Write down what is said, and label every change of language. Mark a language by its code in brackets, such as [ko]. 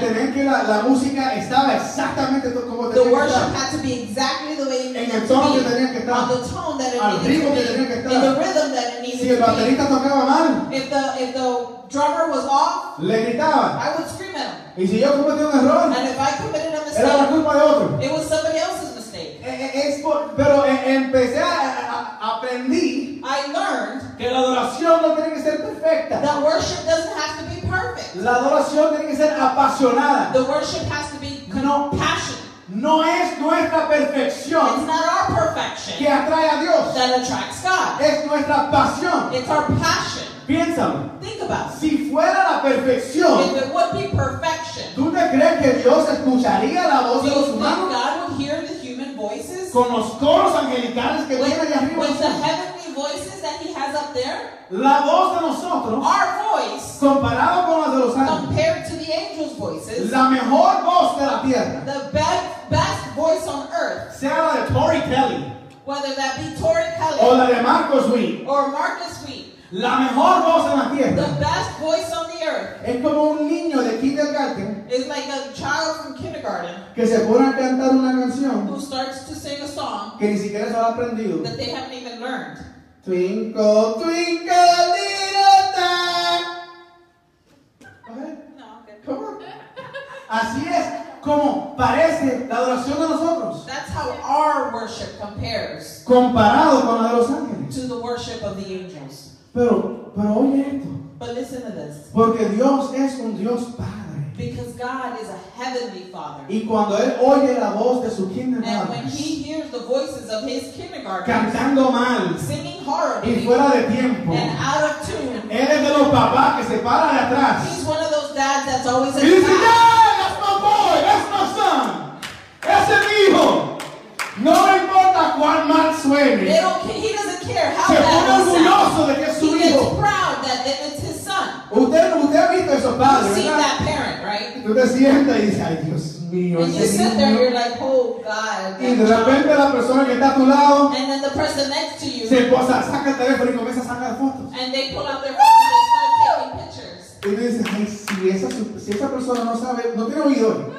[es] De tener que la música estaba exactamente como tenía que estar. [en] The worship had to be exactly the way it needed to be. [es] En el tono que tenía que estar. [en] On the tone that it [es] al [en] needed to be. [es] Que tenía que estar. [en] In the rhythm that it needed [es] si el baterista [en] to be. [es] Tocaba mal. [en] If the drummer was off, [es] le gritaba. [en] I would scream at him. [es] Y si yo cometí un error, [en] and if I committed a mistake, [es] era la culpa de otro. [en] It was somebody else's mistake. [es] Pero empecé aprendí. [en] I learned [es] que la adoración no tiene que ser perfecta. [en] That worship doesn't have to be perfect. [es] La adoración tiene que ser apasionada. [en] The worship has to be compassionate. [es] No es nuestra perfección. [en] It's not our perfection [es] que atrae a Dios. [en] That attracts God. [es] Es nuestra pasión. [en] It's our passion. [es] Piénsalo. [en] Think about it. [es] Si fuera la perfección, [en] if it would be perfection, [es] ¿tú te crees que Dios escucharía la voz de los humanos? [en] God would hear the human voices? [es] Con los coros angelicales que [en] with, [es] vienen arriba. [en] With the heavenly voices that he has up there? [es] La voz de nosotros, [en] our voice, [es] comparado con la de los ángeles, [en] compared to the angels' voices, [es] la mejor voz de la tierra, [en] the best voice on earth, [es] sea la de Tori Kelly, [en] whether that be Tori Kelly, [es] o la de Marcos Witt, [en] or Marcus Witt, [es] la mejor voz en la tierra, [en] the best voice on the earth, [es] es como un niño de kindergarten, [en] is like a child from kindergarten, [es] que se pone a cantar una canción, [en] who starts to sing a song, [es] que ni siquiera se ha aprendido, [en] that they haven't even learned. Twinkle, twinkle, little star. No, okay. [es] Así es como parece la adoración de nosotros. [en] That's how our worship compares. [es] Comparado con la de los ángeles. [en] To the worship of the angels. [es] Pero oye esto. [en] But listen to this. [es] Porque Dios es un Dios Padre. [en] Because God is a heavenly Father. [es] Y cuando él oye la voz de su kindergarten. [en] And when he hears the voices of his kindergarten. [es] Cantando mal. [en] Singing. [es] Y fuera de tiempo. [en] And out of tune. [es] Él es de los papás que se para de atrás. [en] He's one of those dads that's always [es] a dice, [en] that's my boy, that's my son. [es] Ese es mi hijo. No importa cuán mal suene. [en] He doesn't care how bad he sounds. [es] Se pone orgulloso de que es su [en] he [es] hijo. [en] He gets proud that it's his son. [es] Usted ha visto esos padres, [en] Seen that parent, right? [es] Tú te sientas y dices, ay Dios. [en] And you sit there, you're like, oh God. [es] Y de repente la persona que está a tu lado, [en] and then the person next to you, [es] se posa, saca el teléfono y comienza a sacar fotos. [en] And they pull out their phone and start taking pictures. [es] Y dices, hey, si esa persona no sabe, no tiene oído.